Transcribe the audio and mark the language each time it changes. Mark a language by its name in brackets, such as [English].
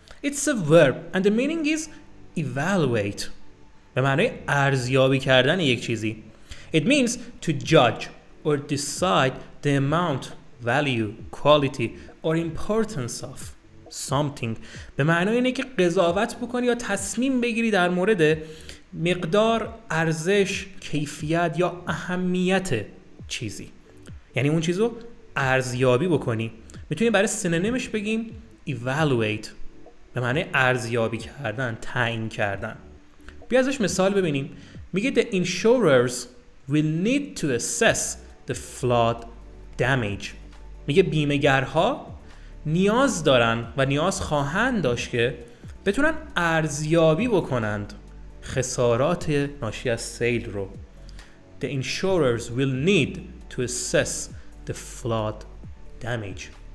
[English] It's a verb and the meaning is evaluate. [Persian] به معنی ارزیابی کردن یک چیزی. [English] It means to judge or decide the amount, value, quality or importance of something. [Persian] به معنی اینه که قضاوت بکنی یا تصمیم بگیری در مورد مقدار، ارزش، کیفیت یا اهمیت چیزی. یعنی اون چیزو ارزیابی بکنی. میتونی برای سینونیمش بگیم evaluate. به معنی ارزیابی کردن، تعیین کردن. بیا ازش مثال ببینیم. [English] میگه the insurers will need to assess the flood damage. [Persian] میگه بیمه‌گرها نیاز دارن و نیاز خواهند داشت که بتونن ارزیابی بکنند خسارات ناشی از سیل رو. [English] The insurers will need to assess the flood damage.